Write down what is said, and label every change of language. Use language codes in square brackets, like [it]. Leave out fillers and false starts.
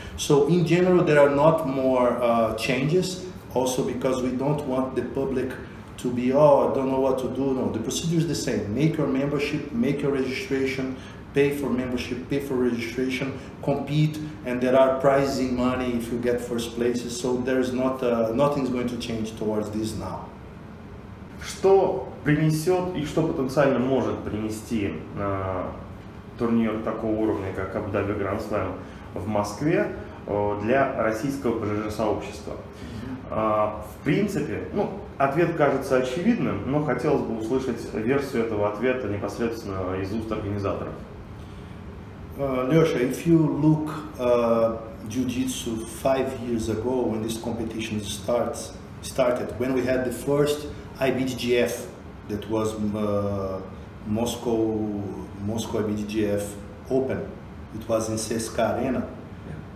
[en] So in general, there are not more changes, also because we don't want the public to be, oh, I don't know what to do. No, the procedure is the same. Make your membership, make your registration, pay for membership, pay for registration, compete, and there are prizes in money if you get first places. So there is not, nothing's going to change towards this now. [ru] Что принесет и что потенциально может принести турнир такого уровня, как Абу Даби Гранд Слэм в Москве для российского БЖЖ-сообщества? В принципе, ну, ответ кажется очевидным, но хотелось бы услышать версию этого ответа непосредственно из уст организаторов. [en] Леша, if you look jiu-jitsu 5 years ago when this competition started, when we had the first IBJJF, that was Moscow IBJJF Open, it was in CSKA Arena. Yeah.